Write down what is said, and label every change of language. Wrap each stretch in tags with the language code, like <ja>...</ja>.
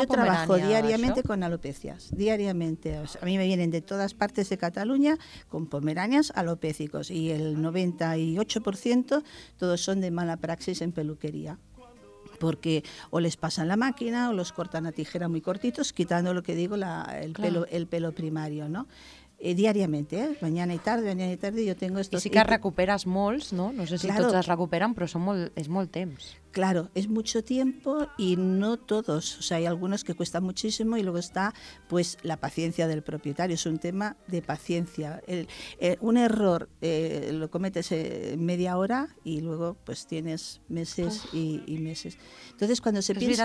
<es>yo trabajo diariamente con alopecias. Diariamente. O sea, a mí me vienen de todas partes de Cataluña con pomeranias alopécicos. Y el 98% todos son de mala praxis en peluquería. Porque o les pasan la máquina o los cortan a tijera muy cortitos, quitando lo que digo, el pelo primario, ¿no? Diàriament, mañana y tarde, yo tengo estos...</es> <ca>I sí que recuperes molts, no? No sé si claro, tots es recuperen, però és molt temps.</ca> <es>Claro, es mucho tiempo y no todos. O sea, hay algunos que cuestan muchísimo y luego está pues la paciencia del propietario. Es un tema de paciencia. Un error lo cometes en media hora y luego pues tienes meses y meses. Entonces cuando se piensa...</es>